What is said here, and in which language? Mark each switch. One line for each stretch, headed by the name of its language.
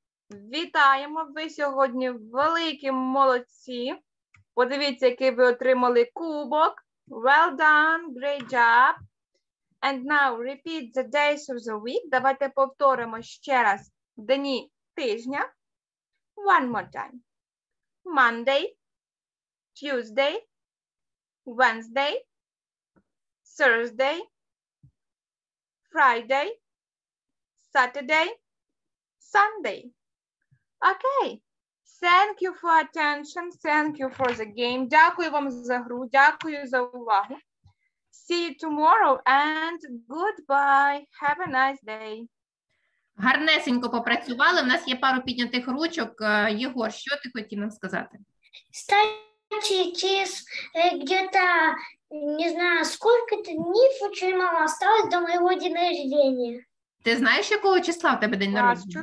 Ukrainian: Вітаємо, ви сьогодні великі молодці. Подивіться, який ви отримали кубок.
English: Well done, great job. And now repeat the days of the week.
Ukrainian: Давайте повторимо ще раз дні тижня.
English: One more time. Monday, Tuesday, Wednesday, Thursday, Friday, Saturday, Sunday.
Ukrainian: Окей.
English: Thank you for attention. Thank you for the game.
Ukrainian: Дякую вам за гру. Дякую за увагу.
English: See you tomorrow and goodbye. Have a nice day.
Ukrainian: Гарнесенько попрацювали. У нас є пару піднятих ручок. Єгор, що ти хотів нам сказати? Старший час,
Russian: где-то,
Ukrainian: не знаю, скільки днів отримала,
Russian: осталось
Ukrainian: до моєго дня рождения. Ти знаєш, якого числа в тебе день народження?